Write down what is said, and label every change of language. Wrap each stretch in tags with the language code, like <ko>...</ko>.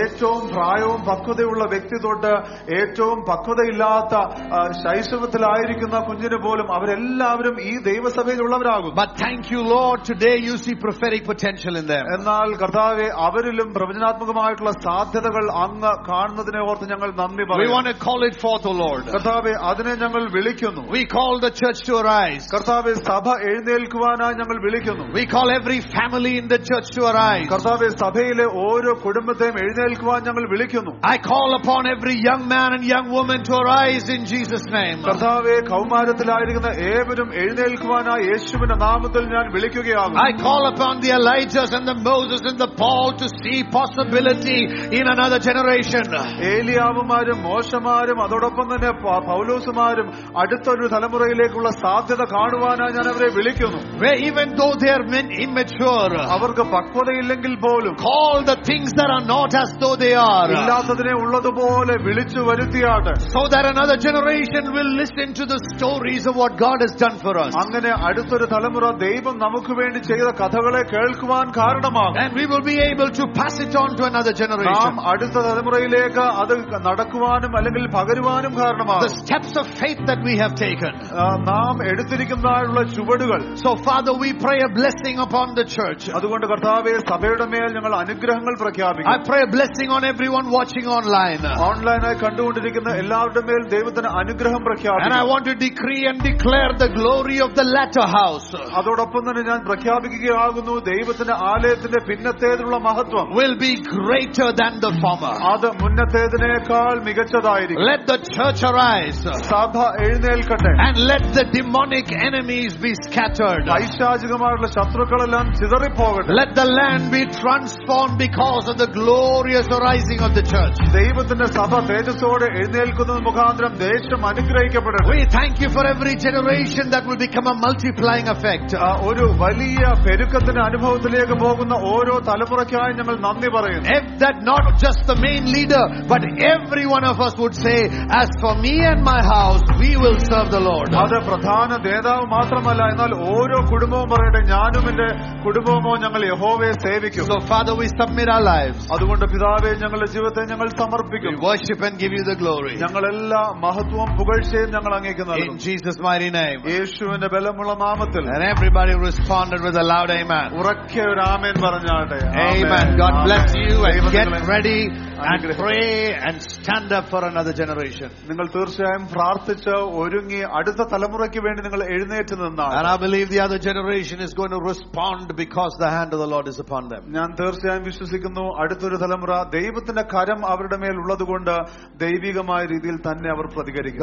<ml>ഏറ്റവും പ്രായവും പക്വതയുള്ള വ്യക്തി തൊട്ട് ഏറ്റവും പക്വതയില്ലാത്ത ശൈശവത്തിലായിരിക്കുന്ന കുഞ്ഞിനു പോലും അവരെല്ലാവരും ഈ ദൈവസഭയിലുള്ളവരാകും.</ml> <en>But thank you Lord, today you see prophetic potential in them.</en> <ml>എന്നാൽ കർത്താവേ, അവരിലും പ്രവചനാത്മകമായിട്ടുള്ള സാധ്യതകൾ അങ്ങ് കാണുന്നതിനെ ഓർത്ത് ഞങ്ങൾ നന്ദി പറയുന്നു.</ml> <en>We want to call it forth, O Lord.</en> <ml>കർത്താവേ, അതിനെ ഞങ്ങൾ വിളിക്കുന്നു.</ml> <en>We call the church to arise.</en> <ml>കർത്താവേ, സഭ എഴുന്നേൽക്കുവാനായി ഞങ്ങൾ വിളിക്കുന്നു.</ml> <en>We call every family in the church to arise.</en> <ml>കർത്താവേ, സഭയിലെ ഓരോ കുടുംബത്തെയും എഴുന്നേൽക്കുവാൻ ഞങ്ങൾ വിളിക്കുന്നു.</ml> <en>I call upon every young man and young woman to arise in Jesus' name. കർത്താവേ</en> <ml>കൗമാരത്തിലായിരിക്കുന്ന ഏവരും എഴുന്നേൽക്കുവാനായി യേശുവിന്റെ നാമത്തിൽ ഞാൻ വിളിക്കുകയാണ്.</ml> <en>I call upon the Elijahs and the Moses and the Paul to see possibility in another generation.</en> <ml>ഏലിയാവുമാരും മോശമാരും അതോടൊപ്പം തന്നെ പൗലോസുമാരും അടുത്തൊരു തലമുറയിലേക്കുള്ള സാധ്യത കാണുവാനായി ഞാൻ അവരെ വിളിക്കുന്നു.</ml> <en>Even though they are immature,</en> <ml>അവർക്ക് പക്വതയില്ലെങ്കിൽ പോലും,</ml> <en>call the things that are not as though they are,</en> <ml>ഇല്ലാത്തതിനെ ഉള്ളതുപോലെ വിളിച്ചു വരുത്തിയാട്ടെ.</ml> <en>So that another generation will listen to the stories of what God has done for us.</en> <ml>അങ്ങനെ അടുത്തൊരു തലമുറ ദൈവം നമുക്ക് വേണ്ടി ചെയ്ത കഥകളെ കേൾക്കുവാൻ കാരണമാകും.</ml> <en>And we will be able to pass it on to another generation.</en> <ml>നാം അടുത്ത തലമുറയിലേക്ക് അത് നടക്കുവാനും അല്ലെങ്കിൽ പകരുവാനും കാരണമാകും.</ml> <en>The steps of faith that we have taken.</en> <ml>നാം എടുത്തിരിക്കുന്നതായുള്ള ചുവടുകൾ.</ml> <en>So Father, we pray a blessing upon the church.</en> <ml>അതുകൊണ്ട് കർത്താവേ സഭയുടെ മേൽ ഞങ്ങൾ അനുഗ്രഹങ്ങൾ പ്രഖ്യാപിക്കുന്നു.</ml> <en>I pray a blessing on everyone watching online.</en> <ml>ഓൺലൈനിൽ കണ്ടുകൊണ്ടിരിക്കുന്ന എല്ലാവരുടെ മേൽ ദൈവത്തിന് അനുഗ്രഹം പ്രഖ്യാപിക്കുന്നു.</ml> <en>And I want to decree and declare the glory of the latter house.</en> <ml>അതോടൊപ്പം തന്നെ ഞാൻ പ്രഖ്യാപിക്കുകയാകുന്നു ദൈവത്തിന്റെ ആലയത്തിന്റെ പിന്നത്തേതിലുള്ള മഹത്വം</ml> <en>will be greater than the former.</en> <ml>അത് മുന്നത്തേതിനേക്കാൾ മികച്ചതായിരിക്കും.</ml> <en>Let the church arise.</en> <ml>സഭ എഴുന്നേൽക്കട്ടെ.</ml> <en>And let the demonic enemies be scattered.</en> <ml>വൈശാചികമായുള്ള ശത്രുക്കളെല്ലാം ചിതറിപ്പോകട്ടെ.</ml> <en>Let the land be transformed because of the glorious arising of the church.</en> <ml>ദൈവത്തിന്റെ സഭ തേജസ്സോടെ എഴുന്നേൽക്കുന്നത് മുഖാന്തരം ദേശം അനുഗ്രഹിക്കപ്പെടട്ടെ.</ml> <en>We thank you for every generation that will become a multiplying effect.</en> <ml>ഒരു വലിയ പെരുക്കത്തിന്റെ അനുഭവത്തിലേക്ക് പോകുന്ന ഓരോ തലമുറയ്ക്കായി ഞങ്ങൾ നന്ദി പറയുന്നു.</ml> <en>If that not just the main leader but every one of us would say, as for me and my house, we will serve the Lord.</en> <ml>അത് പ്രധാന നേതാവ് മാത്രമല്ല എന്നാൽ ഓരോ കുടുംബവും പറയട്ടെ, ഞാനും എന്റെ കുടുംബവുമോ ഞങ്ങൾ യഹോവയെ സേവിക്കും.</ml> <en>So Father, we submit our lives.</en> <ml>അതുകൊണ്ട് പിതാവേ ഞങ്ങളുടെ ജീവിതത്തെ ഞങ്ങൾ സമർപ്പിക്കും.</ml> <en>We worship and give you the glory.</en> <ml>ഞങ്ങളെല്ലാ മഹത്വവും പുകഴ്ചയും ഞങ്ങൾ അങ്ങേക്ക് നൽകും.</ml> <en>In Jesus mighty name.</en> <ml>യേശുവിന്റെ ബലമുള്ള നാമത്തിൽ.</ml> <en>And everybody responded with a loud amen.</en> <ml>ഉറക്കെ ഒരു ആമേൻ പറഞ്ഞാട്ടെ.</ml> <en>Amen. God bless you and get ready and pray and stand up for another generation.</en> <ml>നിങ്ങൾ തീർച്ചയായും പ്രാർത്ഥിച്ച് ഒരുങ്ങി അടുത്ത തലമുറയ്ക്ക് വേണ്ടി നിങ്ങൾ എഴുന്നേറ്റ് നിന്നാൽ.</ml> <en>And I believe the other generation is going to respond because the hand of the Lord is upon them.</en> <ml>ഞാൻ തീർച്ചയായും വിശ്വസിക്കുന്നു അടുത്തൊരു തലമുറ ദൈവത്തിന്റെ കരം അവരുടെ മേൽ ഉള്ളതുകൊണ്ട് ദൈവികമായ രീതിയിൽ തന്നെ അവർ പ്രതികരിക്കും.</ml>